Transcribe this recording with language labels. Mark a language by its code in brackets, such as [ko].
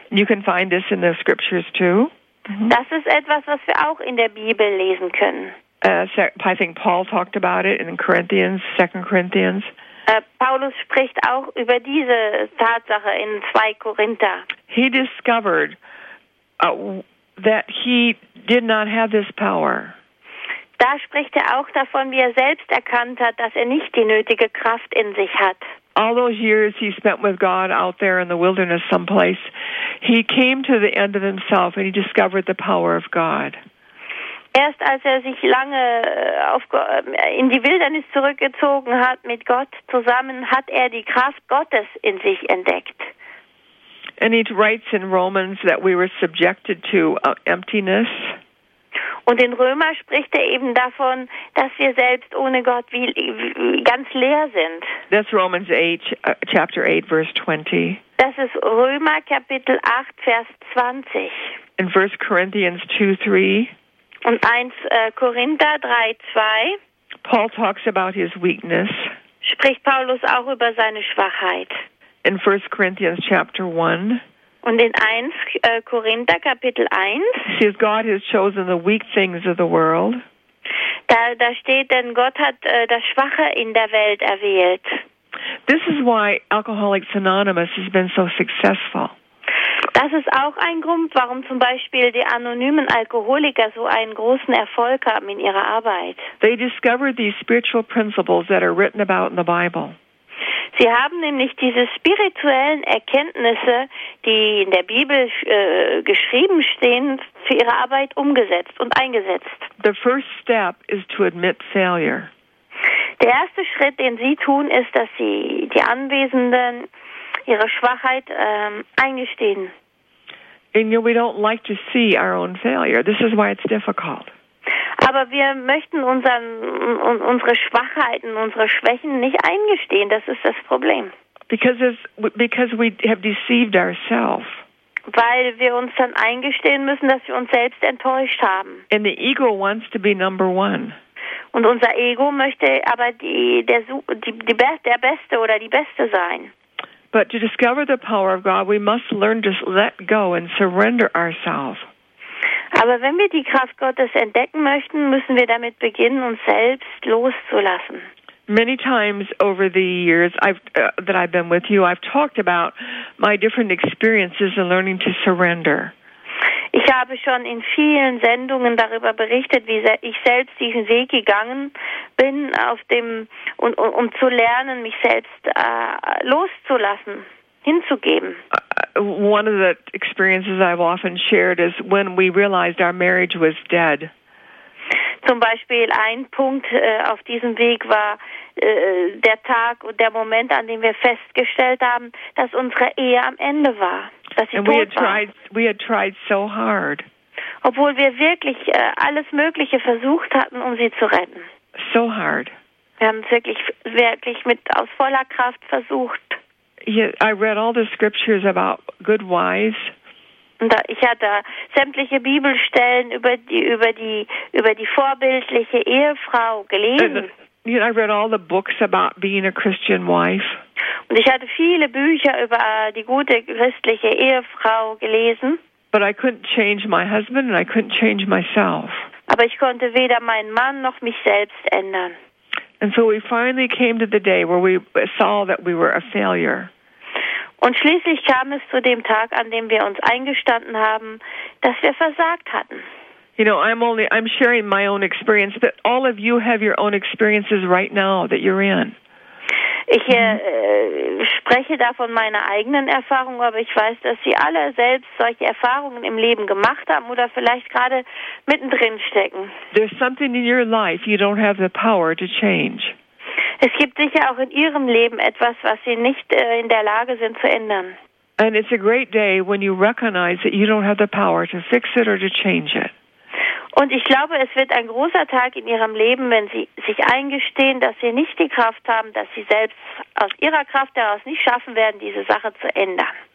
[en] You can find this in the scriptures too. [de] Das ist etwas, was wir auch in der Bibel lesen können. [en] I think Paul talked about it in Corinthians, 2 Corinthians. [de] Paulus spricht auch über diese Tatsache in 2 Korinther. [en] He discovered that he did not have this power. [de] Da spricht er auch davon, wie er selbst erkannt hat, dass er nicht die nötige Kraft in sich hat. [en] All those years he spent with God out there in the wilderness someplace, he came to the end of himself and he discovered the power of God. [de] Erst als er sich lange in die Wildernis zurückgezogen hat mit Gott zusammen, hat er die Kraft Gottes in sich entdeckt. [en] And he writes in Romans that we were subjected to emptiness. [de] Und in Römer spricht er eben davon, dass wir selbst ohne Gott wie ganz leer sind. [en] That's Romans 8, chapter 8, verse 20. [de] Das ist Römer Kapitel 8, Vers 20. [en] In 1 Corinthians 2, 3. [de] Und 1 Korinther 3, 2. [en] Paul talks about his weakness. [de] Spricht Paulus auch über seine Schwachheit. [en] In 1 Corinthians chapter 1. [de] Und in 1 Korinther Kapitel 1. [en] He says God has chosen the weak things of the world. [de] Da steht, denn Gott hat das Schwache in der Welt erwählt. [en] This is why Alcoholics Anonymous has been so successful. [de] Das ist auch ein Grund, warum zum Beispiel die anonymen Alkoholiker so einen großen Erfolg haben in ihrer Arbeit. [en] They discovered these spiritual principles that are written about in the Bible. [de] Sie haben nämlich diese spirituellen Erkenntnisse, die in der Bibel geschrieben stehen, für ihre Arbeit umgesetzt und eingesetzt. [en] The first step is to admit failure. [de] Der erste Schritt, den sie tun, ist, dass sie die Anwesenden ihre Schwachheit eingestehen. [en] And we don't like to see our own failure. This is why it's difficult. [de] Aber wir möchten unsere Schwachheiten, unsere Schwächen nicht eingestehen. Das ist das Problem. [en] Because we have deceived ourselves. [de] Weil wir uns dann eingestehen müssen, dass wir uns selbst enttäuscht haben. [en] And the ego wants to be number one. [de] Und unser Ego möchte aber der Beste oder die Beste sein. [en] But to discover the power of God, we must learn to let go and surrender ourselves. [de] Aber wenn wir die Kraft Gottes entdecken möchten, müssen wir damit beginnen, uns selbst loszulassen. [en] Many times over the years that I've been with you, I've talked about my different experiences in learning to surrender. [de] Ich habe schon in vielen Sendungen darüber berichtet, wie ich selbst diesen Weg gegangen bin, um zu lernen, mich selbst loszulassen, hinzugeben. [en] One of the experiences I've often shared is when we realized our marriage was dead. [de] Zum Beispiel ein Punkt auf diesem Weg war der Tag und der Moment, an dem wir festgestellt haben, dass unsere Ehe am Ende war, dass sie tot war. [en] We had tried so hard. [de] Obwohl wir wirklich alles Mögliche versucht hatten, um sie zu retten. [en] So hard. [de] Wir haben es wirklich aus voller Kraft versucht. [en] I read all the scriptures about good wives. [de] Ich hatte sämtliche Bibelstellen über die vorbildliche Ehefrau gelesen. [en] I read all the books about being a Christian wife. [de] Und ich hatte viele Bücher über die gute christliche Ehefrau gelesen. [en] But I couldn't change my husband and I couldn't change myself. [de] Aber ich konnte weder meinen Mann noch mich selbst ändern. [en] And so we finally came to the day where we saw that we were a failure. [de] Und schließlich kam es zu dem Tag, an dem wir uns eingestanden haben, dass wir versagt hatten. [en] You know, I'm sharing my own experience, but all of you have your own experiences right now that you're in. [de] Ich spreche da von meiner eigenen Erfahrung, aber ich weiß, dass Sie alle selbst solche Erfahrungen im Leben gemacht haben oder vielleicht gerade mittendrin stecken. [en] There's something in your life you don't have the power to change. [de] Es gibt sicher auch in Ihrem Leben etwas, was Sie nicht in der Lage sind zu ändern. [en] And it's a great day when you recognize that you don't have the power to fix it or to change it. [de] Und ich glaube, es wird ein großer Tag in Ihrem Leben, wenn Sie sich eingestehen, dass Sie nicht die Kraft haben, dass Sie selbst aus Ihrer Kraft heraus nicht schaffen werden, diese Sache zu ändern.